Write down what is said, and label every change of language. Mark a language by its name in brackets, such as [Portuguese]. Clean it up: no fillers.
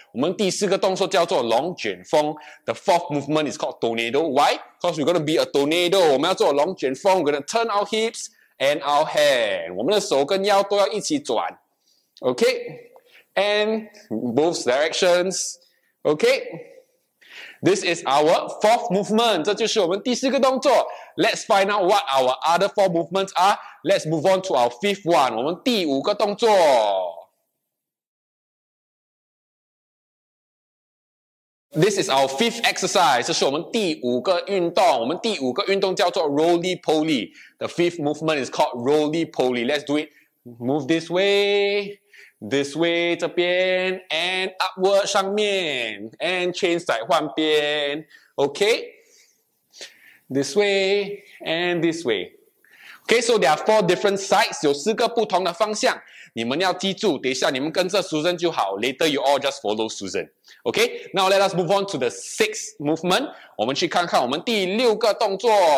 [Chinese] 我们第四个动作叫做龙卷风。 [English] The fourth movement is called tornado. Why? Because we're going to be a tornado. [Chinese] 我们要做龙卷风。 [English] We're going to turn our hips and our hand. [Chinese] 我们的手跟腰都要一起转。 [English] Okay? And both directions. Okay? This is our fourth movement. [Chinese] 这就是我们第四个动作。 [English] Let's find out what our other four movements are. Let's move on to our fifth one. [Chinese] 我们第五个动作。 [English] This is our fifth exercise. [Chinese] 这是我们第五个运动。我们第五个运动叫做 [English] roly poly. The fifth movement is called roly poly. Let's do it. Move this way, [Chinese] 这边 [English] and upward [Chinese] 上面 [English] and change [Chinese] 再换边 [English] Okay. This way and this way. Okay, so there are four different sides, [Chinese] 有四个不同的方向。你们要记住，等一下你们跟着 Susan 就好。 [English] Later you all just follow Susan. Okay, now let us move on to the sixth movement. [Chinese] 我们去看看我们第六个动作。